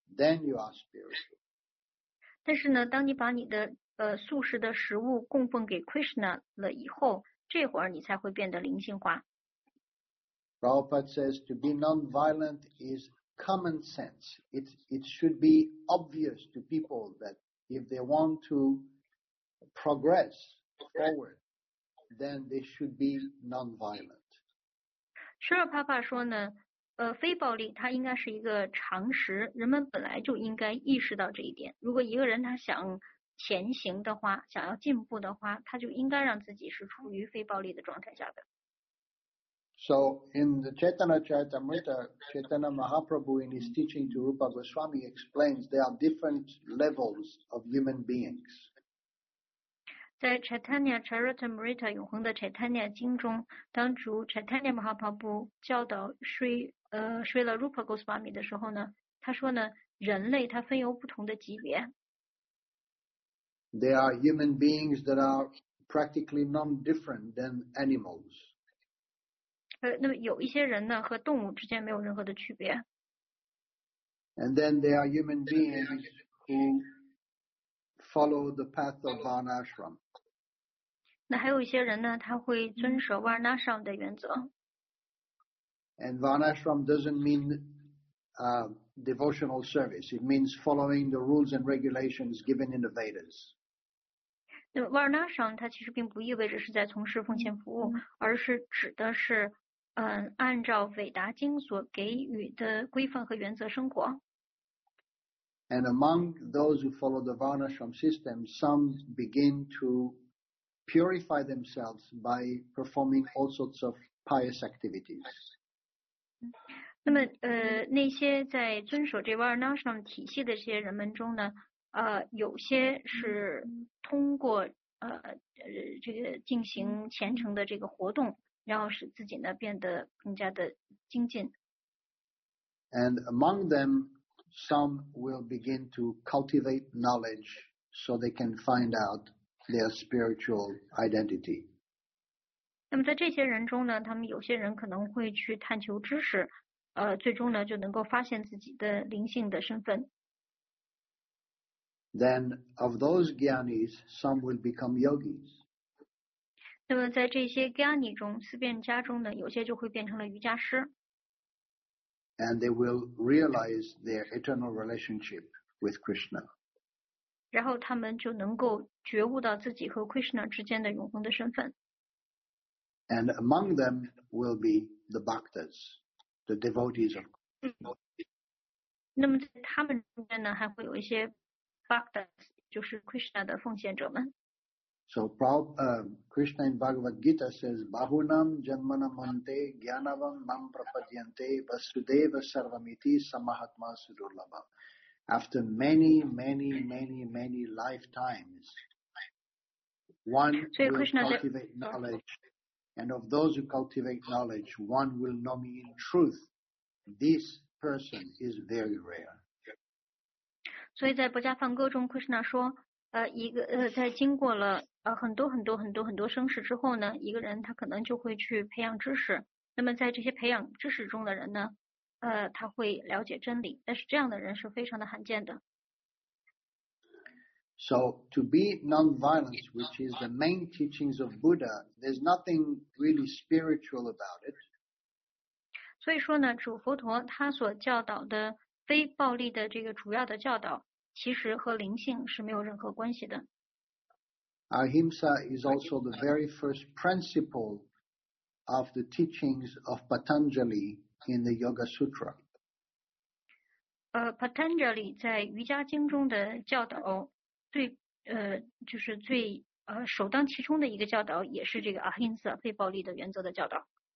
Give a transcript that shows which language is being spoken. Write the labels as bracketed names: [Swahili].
[English] Then you are spiritual. [Chinese] 但是呢，当你把你的素食的食物供奉给 Krishna 了以后，这会儿你才会变得灵性化。 [English] Prabhupada says to be non-violent is common sense. It should be obvious to people that if they want to progress forward, then they should be non-violent. [Chinese] 舍利帕帕说呢，非暴力它应该是一个常识，人们本来就应该意识到这一点。如果一个人他想前行的话，想要进步的话，他就应该让自己是处于非暴力的状态下的。 [English] So in the Chaitanya Charitamrita, Chaitanya Mahaprabhu in his teaching to Rupa Goswami explains there are different levels of human beings. [Chinese] 在 Chaitanya Charitamrita 永恒的 Chaitanya 经中，当主 Chaitanya Mahaprabhu 教导 Srila Rupa Goswami 的时候呢，他说呢，人类他分有不同的级别。 [English] There are human beings that are practically non-different than animals. [Chinese] 那么有一些人呢，和动物之间没有任何的区别。 [English] And then there are human beings who follow the path of Varnashram. [Chinese] 那还有一些人呢，他会遵守 Varnashram 的原则。 [English] And Varnashram doesn't mean devotional service. It means following the rules and regulations given in the Vedas. [Chinese] 那么瓦尔纳商它其实并不意味着是在从事奉献服务，而是指的是按照韦达经所给予的规范和原则生活。 [English] And among those who follow the Varnashram system, some begin to purify themselves by performing all sorts of pious activities. [Chinese] 那么那些在遵守这瓦尔纳商体系的这些人们中呢，有些是通过这个进行虔诚的这个活动，然后使自己呢变得更加的精进。 [English] And among them, some will begin to cultivate knowledge so they can find out their spiritual identity. [Chinese] 那么在这些人中呢，他们有些人可能会去探求知识，最终呢就能够发现自己的灵性的身份。 [English] Then of those gyanis, some will become yogis. [Chinese] 那么在这些 gyani 中，思辨家中呢，有些就会变成了瑜伽师。 [English] And they will realize their eternal relationship with Krishna. [Chinese] 然后他们就能够觉悟到自己和 Krishna 之间的永恒的身份。 [English] And among them will be the bhaktas, the devotees of Krishna. [Chinese] 那么在他们中间呢，还会有一些 [English] So, Krishna in Bhagavad Gita says, [Sanskrit] Bahunam Janmanamante Gyanavam Mam Prapadyante Vasudeva Sarvamiti Samahatma Sudurlabha. [English] After many, many, many, many lifetimes, one will cultivate knowledge, and of those who cultivate knowledge, one will know me in truth. This person is very rare. [Chinese] 所以在《薄伽梵歌》中 ，Krishna 说，在经过了很多很多很多很多生世之后呢，一个人他可能就会去培养知识。那么在这些培养知识中的人呢，他会了解真理，但是这样的人是非常的罕见的。 [English] So to be non-violence, which is the main teachings of Buddha, there's nothing really spiritual about it. [Chinese] 所以说呢，主佛陀他所教导的非暴力的这个主要的教导，其实和灵性是没有任何关系的。 [English] Ahimsa is also the very first principle of the teachings of Patanjali in the Yoga Sutra. [Chinese] Patanjali 在瑜伽经中的教导最就是最首当其冲的一个教导，也是这个 Ahimsa 非暴力的原则的教导。